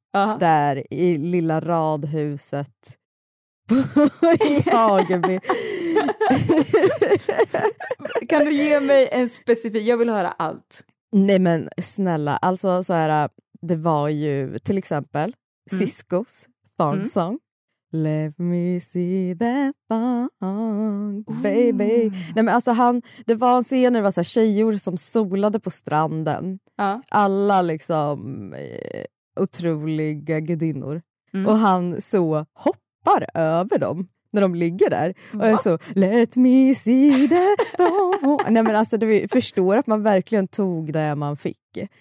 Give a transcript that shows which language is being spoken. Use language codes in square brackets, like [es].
[sv] Uh-huh. Där i lilla radhuset i Hageby. Kan du ge mig en specifik, jag vill höra allt. Nej men snälla, alltså så här, det var ju till exempel Ciscos thong song. [en] Let me see that thong, baby. [sv] Nej men alltså det var en scen där det var så här tjejor som solade på stranden. Alla liksom otroliga gudinnor. Och han så hoppar över dem när de ligger där. Och är så, [en] let me see that. [sv] Nej men alltså, du förstår att man verkligen tog det man fick.